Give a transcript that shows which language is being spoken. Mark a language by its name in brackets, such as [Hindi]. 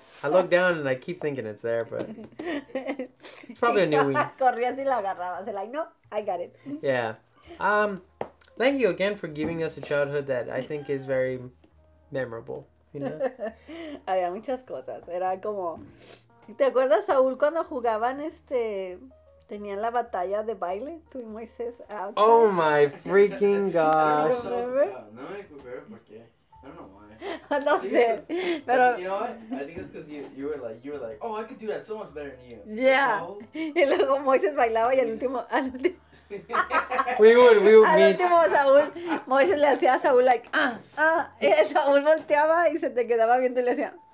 [English] I look down and I keep thinking it's there, but it's probably a new wiener. [Spanish] Corrías y la agarrabas. [English] Like, no. I got it. Yeah. Thank you again for giving us a childhood that I think is very memorable, you know? [Spanish] Había muchas cosas. Era como... ¿Te acuerdas, Saúl, cuando jugaban Tenían la batalla de baile? Tú y Moisés. [English] Outside. Oh, my freaking God. [Spanish] No me recupero porque... [English] I don't know why. [Spanish] No sé. Pero... [English] You know what? I think it's because you were like, oh, I could do that so much better than you. Yeah. [Spanish] Oh. Y luego Moisés bailaba y al último... [English] We would [Spanish] al último Saúl, Moisés le hacía a Saúl like y el Saúl volteaba y se te quedaba viendo y le hacía